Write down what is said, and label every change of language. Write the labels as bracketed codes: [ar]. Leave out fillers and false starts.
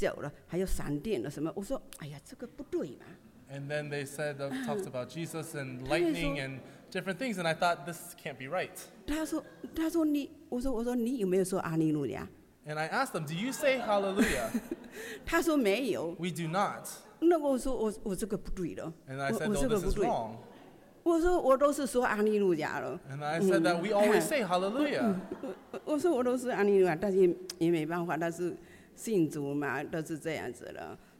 [zh] 当方面他们是说什么，是女王咯，什么是女王咯，什么耶稣教了，还有闪电了什么。我说，哎呀，这个不对嘛。 [en] And then they said, talked about Jesus and lightning and different things, and I thought this can't be right. [zh] 他说，我说你有没有说阿利路亚？ [en] And I asked them, do you say hallelujah? [zh] 他说没有。 [en] We do not. [zh] 那我说我这个不对了。 [en] And I said, no, this is wrong. [zh] 我说我都是说阿利路亚了。 [en] And I said that we always say hallelujah. [zh] 我说我都是阿利路亚，但是也没办法，但是信主嘛，都是这样子了。